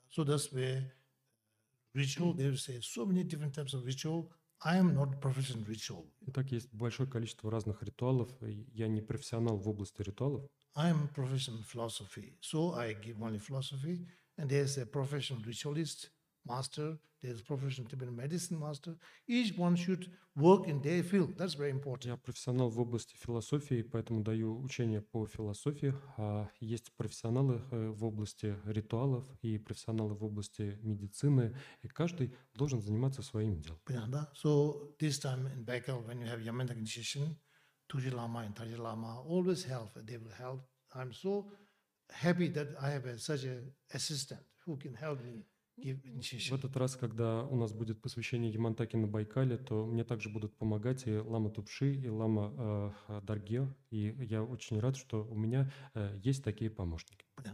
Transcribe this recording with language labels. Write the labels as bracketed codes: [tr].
[en] So that's where ritual, they will say so many different types of ritual. I am not professional ritual. [ru] Итак, есть большое количество разных ритуалов. Я не профессионал в области ритуалов. [en] I am professional philosophy, so I give only philosophy. And there's a professional ritualist master. There's professional Tibetan medicine master. Each one should work in their field. That's very important. [ru] Я профессионал в области философии, поэтому даю учения по философии. А есть профессионалы в области ритуалов и профессионалы в области медицины. И каждый должен заниматься своим делом. Понятно, да? [en] So this time in Baikal, when you have Yamen Dakin, Тузи Лама and Тази Лама always help. They will help. I'm so happy that I have such an assistant who can help me. [ru] В этот раз, когда у нас будет посвящение Ямантаке на Байкале, то мне также будут помогать и лама Тупши, и лама Дарге. И я очень рад, что у меня есть такие помощники.